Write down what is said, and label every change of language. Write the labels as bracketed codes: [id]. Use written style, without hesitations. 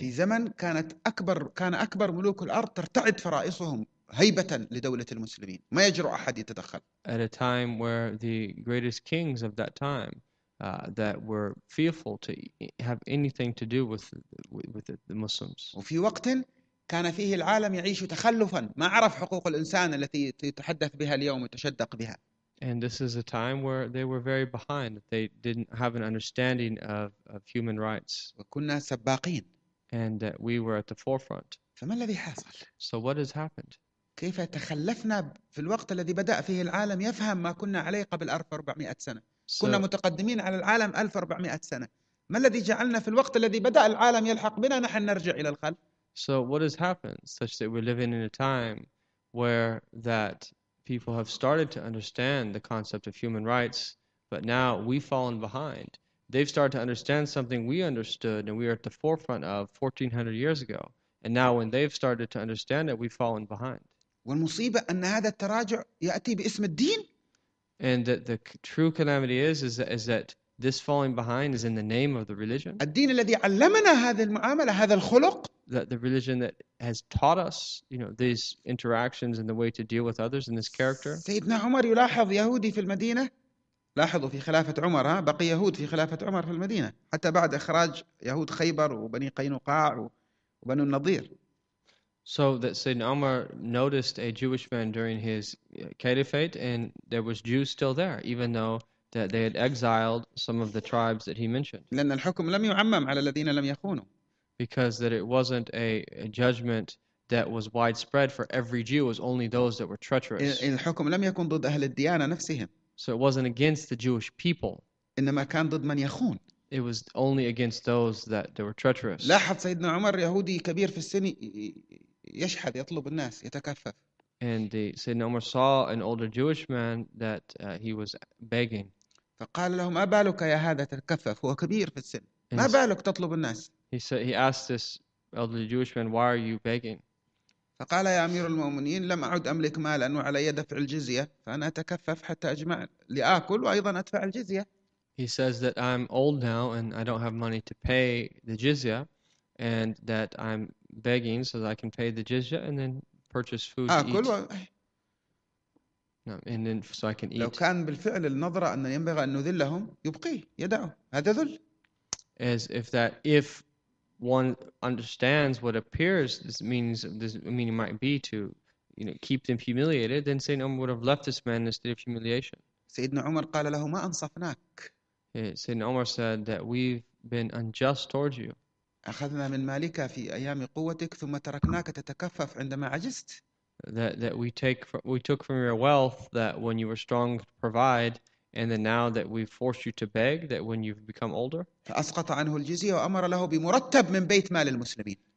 [ar] في زمن كان أكبر ملوك الأرض ترتعد فرائصهم. هيبة لدولة المسلمين ما يجرؤ أحد يتدخل. [en] At a time where the greatest kings of that time that were fearful to have anything to do with the Muslims. [ar] وفي وقت كان فيه العالم يعيش تخلفا ما عرف حقوق الإنسان التي يتحدث بها اليوم وتشدق بها. [en] And this is a time where they were very behind. They didn't have an understanding of human rights. [ar] وكنا سباقين. [en] And that we were at the forefront. [ar] فما الذي حصل؟ [en] So what has happened? [ar] كيف تخلفنا في الوقت الذي بدأ فيه العالم يفهم ما كنا عليه قبل 1400 سنة؟ كنا متقدمين على العالم 1400 سنة. ما الذي جعلنا في الوقت الذي بدأ العالم يلحق بنا نحن نرجع إلى الخلف؟ [en] So what has happened such that we're living in a time where that people have started to understand the concept of human rights, but now we've fallen behind they've started to understand something we understood and we are at the forefront of 1400 years ago. And now when they've started to understand it, we've fallen behind. [ar] والمصيبة أن هذا التراجع يأتي باسم الدين. [en] And that the true calamity is that this falling behind is in the name of the religion. [ar] الدين الذي علمنا هذه المعاملة، هذا الخلق. [en] That the religion that has taught us, you know, these interactions and the way to deal with others in this character. [ar] سيدنا عمر يلاحظ يهودي في المدينة. لاحظوا في خلافة عمر، ها، بقي يهود في خلافة عمر في المدينة حتى بعد إخراج يهود خيبر وبني قينقاع وبنو النضير. [en] So that Sayyidina Umar noticed a Jewish man during his caliphate, and there was Jews still there, even though that they had exiled some of the tribes that he mentioned. [ar] لأن الحكم لم يعمم على الذين لم يخونوا. [en] Because that it wasn't a judgment that was widespread for every Jew, it was only those that were treacherous. [ar] الحكم لم يكن ضد أهل الديانة نفسهم. [en] So it wasn't against the Jewish people. [ar] إنما كان ضد من يخون. [en] It was only against those that they were treacherous. [ar] لاحظ سيدنا عمر يهودي كبير في السن يشحذ يطلب الناس يتكفف. [en] And the Sayyidina Umar saw an older Jewish man that he was begging. [ar] فقال له ما بالك يا هذا تكفف هو كبير في السن ما بالك تطلب الناس. [en] He asked this elderly Jewish man, why are you begging? [ar] فقال يا أمير المؤمنين لم أعد أملك مالا وعلي دفع الجزية فأنا أتكفف حتى أجمع لآكل وأيضا أدفع الجزية. [en] He says that I'm old now and I don't have money to pay the jizya, and that I'm begging so that I can pay the jizya and then purchase food [ar] آكل [en] to [ar] و... [en] eat. No, and then so I can eat. [ar] لو كان بالفعل النظرة أن ينبغي أن نذلهم يبقيه يدعه هذا ذل. [en] As if that if one understands what appears this meaning might be to, you know, keep them humiliated, then Sayyidina Umar would have left this man in a state of humiliation. [ar] سيدنا عمر قال له ما أنصفناك. [en] Sayyidina Umar said that we've been unjust towards you. [ar] أخذنا من مالك في أيام قوتك ثم تركناك تتكفف عندما عجزت. [en] That we took from your wealth that when you were strong to provide, and then now that we've forced you to beg that when you've become older. [ar] فأسقط عنه الجزية وأمر له بمرتب من بيت مال المسلمين.